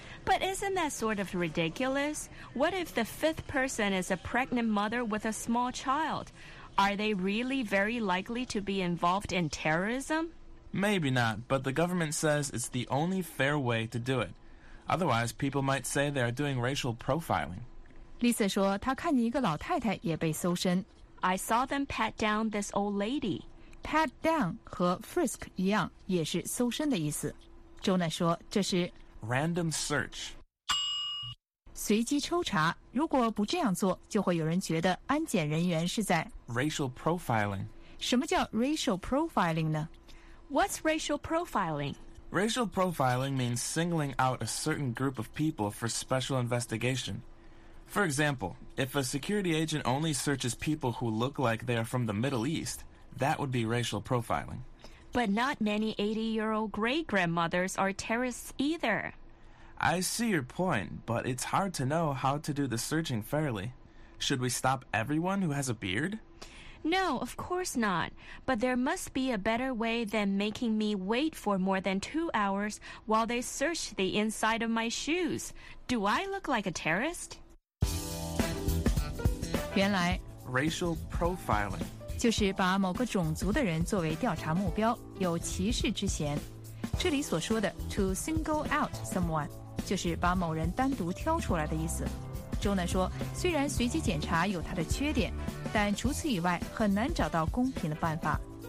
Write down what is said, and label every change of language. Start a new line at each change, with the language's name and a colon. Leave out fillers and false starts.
English: But isn't that sort of ridiculous? What if the fifth person is a pregnant mother with a small child? Are they really very likely to be involved in terrorism? Maybe not, but the government says it's the only fair way to do it. Otherwise, people might say they are doing racial profiling.
Chinese: Lisa 说她看见一个老太太也被搜身。
English: I saw them pat down this old lady.
Chinese: Pat down 和 frisk 一样，也是搜身的意思。 Jonah 说这是
English: random search.
Chinese: 随机抽查，如果不这样做，就会有人觉得安检人员是在
English: racial profiling。
Chinese: 什么叫 racial profiling 呢？
English: What's racial profiling? Racial profiling means singling out a certain group of people for special investigation. For example, if a security agent only searches people who look like they are from the Middle East, that would be racial profiling. But not many 80-year-old great-grandmothers are terrorists either. I see your point, but it's hard to know how to do the searching fairly. Should we stop everyone who has a beard? No, of course not. But there must be a better way than making me wait for more than 2 hours while they search the inside of my shoes. Do I look like a terrorist?
Chinese: 原来
English: Racial profiling.
Chinese: 就是把某个种族的人作为调查目标，有歧视之嫌。这里所说的 to single out someone 就是把某人单独挑出来的意思。周南说，虽然随机检查有它的缺点，但除此以外很难找到公平的办法。